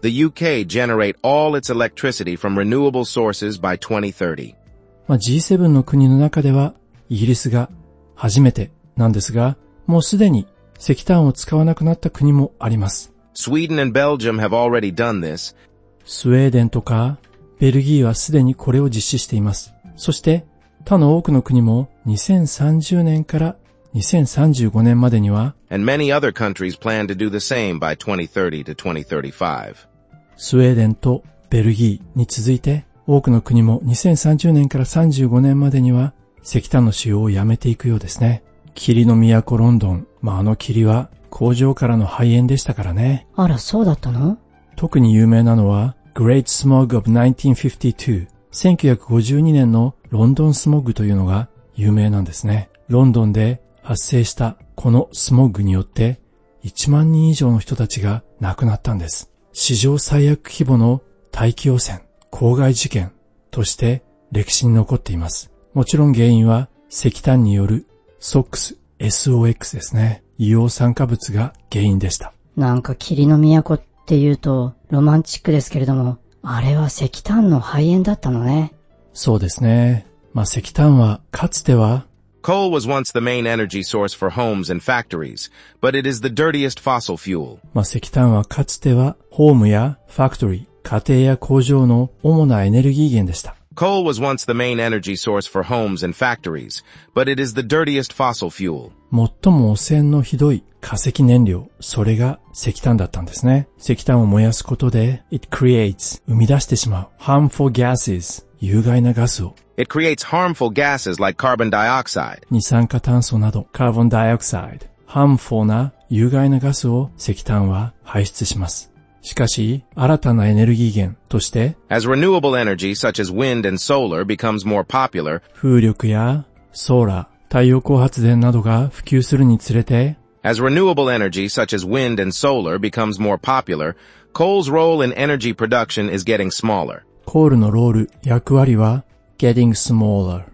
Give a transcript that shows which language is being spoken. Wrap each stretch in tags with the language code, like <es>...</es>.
<en>The UK generate all its electricity from renewable sources by 2030.</en> <ja>G7 の国の中ではイギリスが初めてなんですが、もうすでに石炭を使わなくなった国もあります。</ja> <en>Sweden and Belgium have already done this.</en> <ja>スウェーデンとかベルギーはすでにこれを実施しています。そして他の多くの国も2030年から2035年までには、</ja> <en>And many other countries plan to do the same by 2030 to 2035.</en> <ja>スウェーデンとベルギーに続いて、多くの国も2030年から35年までには石炭の使用をやめていくようですね。霧の都ロンドン、まあ、あの霧は工場からの排煙でしたからね。あら、そうだったの？特に有名なのは Great Smog of 1952。 1952年のロンドンスモッグというのが有名なんですね。ロンドンで発生したこのスモッグによって1万人以上の人たちが亡くなったんです。史上最悪規模の大気汚染、公害事件として歴史に残っています。もちろん原因は石炭による SOX、SOX ですね。硫黄酸化物が原因でした。なんか霧の都っていうとロマンチックですけれども、あれは石炭の肺炎だったのね。そうですね。まあ、石炭はかつては</ja> <en>Coal was once the main energy source for homes and factories, but it is the dirtiest fossil fuel.</en> <ja>まあ、石炭はかつてはホームやファクトリー、家庭や工場の主なエネルギー源でした。</ja> <en>Coal was once the main energy source for homes and factories, but it is the dirtiest fossil fuel.</en> <ja>最も汚染のひどい化石燃料、それが石炭だったんですね。石炭を燃やすことで、</ja> <en>it creates、</en> <ja>生み出してしまう、</ja> <en>harmful gases、</en> <ja>有害なガスを。</ja> <en>It creates harmful gases like carbon dioxide.</en> <ja>二酸化炭素など、carbon dioxide、harmful な有害なガスを石炭は排出します。しかし、新たなエネルギー源として、</ja> <en>As renewable energy such as wind and solar becomes more popular,</en> <ja>風力やソーラー、太陽光発電などが普及するにつれて、</ja> <en>As renewable energy such as wind and solar becomes more popular, coal's role in energy production is getting smaller.</en> <ja>コールのロール、役割は、</ja> <en>Getting smaller.</en>